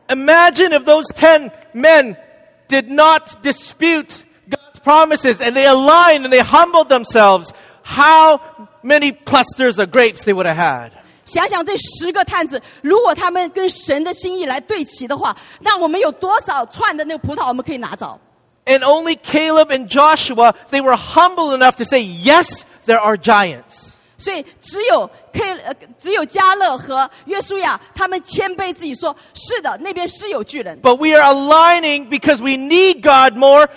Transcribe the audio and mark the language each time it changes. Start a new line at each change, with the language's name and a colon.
English: Imagine if those 10 men did not dispute God's promises and they aligned and they humbled themselves, how many clusters of grapes they would have had.
Chinese: 想想这十个探子，如果他们跟神的心意来对齐的话，那我们有多少串的那个葡萄我们可以拿走？
English: And only Caleb and Joshua, they were humble enough to say, yes, there are giants.
Chinese: 所以只有加勒和约书亚，他们谦卑自己说，是的，那边是有巨人。
English: But we are aligning because we need God more.